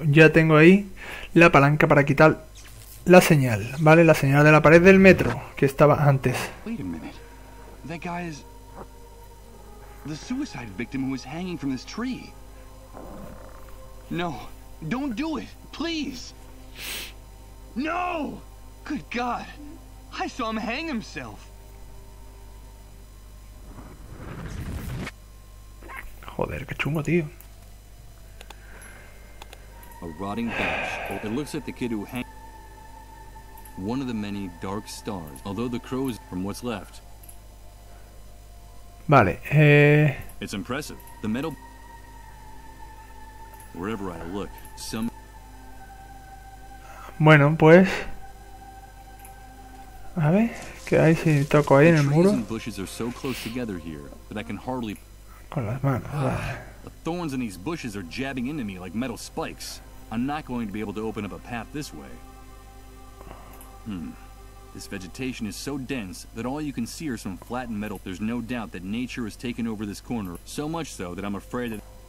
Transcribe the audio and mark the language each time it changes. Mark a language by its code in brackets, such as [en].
[es] Ya tengo ahí la palanca para quitar la señal, ¿vale? La señal de la pared del metro que estaba antes. [en] Wait a minute. That guy is the suicide victim who was hanging from this tree. No. Don't do it, please. No! Good God, I saw him hang himself. [es] Joder, qué chungo, tío. [en] A rotting gash. It looks like the kid who hanged. One of the many dark stars. Although the crow is from what's left. [es] Vale. [en] It's impressive. The metal. Wherever I look. [es] Bueno, pues. A ver, ¿qué hay si toco ahí en el muro? Con las manos. [en] The thorns in these bushes are jabbing into me like metal spikes. I'm not going to be able to open up a path this way. This vegetation is so dense that all you can see are some flattened metal. There's no doubt that nature has taken over this corner, so much so that I'm afraid that...